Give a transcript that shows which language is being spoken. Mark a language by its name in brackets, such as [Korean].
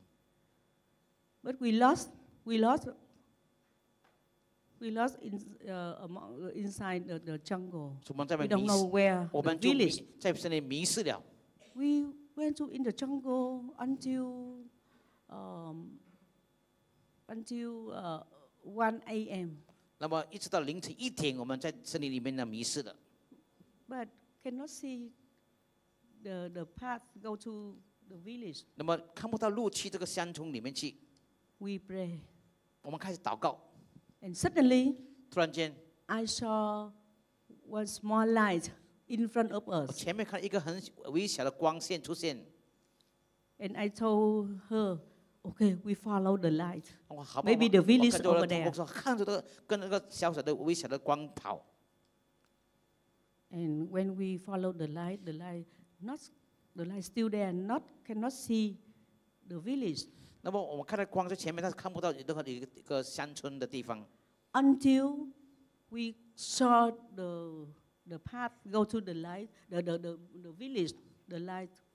[Chinese] 哦，不是那么大，是小小的。我只坐在旁边的，只看到我们的脚而已哈。 [English] But we lost in among inside the jungle. [Chinese] 我们在那边迷失。 [English] We don't know where. [Chinese] 我们就在那边迷失了。 [English] We went to in the jungle until 1 a.m. [Chinese] 那么一直到凌晨一点，我们在森林里面呢迷失的。 [English] But cannot see the path go to the village. [Chinese] 那么看不到路去这个山丛里面去。 [English] We pray. [Chinese] 我们开始祷告。 [English] And suddenly, [Chinese] 突然间， [English] I saw one small light in front of us. [Chinese] 前面看一个很微小的光线出现。 [English] And I told her, okay, we follow the light. Maybe the village over there. [Chinese] 我看着这个跟那个小小的微小的光跑。 [English] And when we follow the light still there, cannot see the village. [Chinese] 那么我们看到光在前面，但是看不到任何一个乡村的地方。 [English] Until we saw the path go to the light, the village, the light.